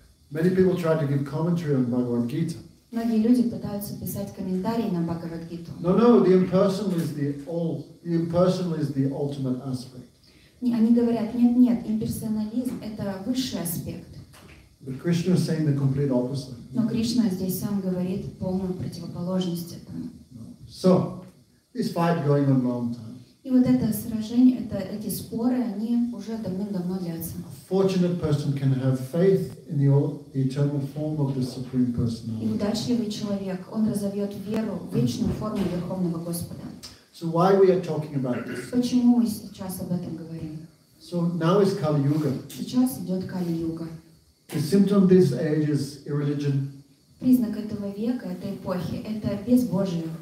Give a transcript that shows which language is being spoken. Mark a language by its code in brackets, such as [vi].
[en] Many people try to give commentary on Bhagavad Gita. [ru] Многие люди пытаются писать комментарии на Бхагавад Гиту. [en] No, the impersonal is the ultimate aspect. [ru] Они говорят, нет, имперсонализм – это высший аспект. [en] But Krishna is saying the complete opposite. [ru] Но Кришна здесь сам говорит полную противоположность этому. [en] So, this fight going on a long time. [ru] И вот это сражение, эти споры, они уже давным-давно длятся. [en] A fortunate person can have faith in the eternal form of the Supreme Personality. [ru] И удачливый человек, он разовьет веру в вечную форму Верховного Господа. [en] So why we are talking about this? [ru] Почему мы сейчас об этом говорим? [en] So now is Kali Yuga. [ru] Сейчас идет Кали Юга. [en] The symptom of this age is irreligion. [ru] Признак этого века, этой эпохи, это безбожие.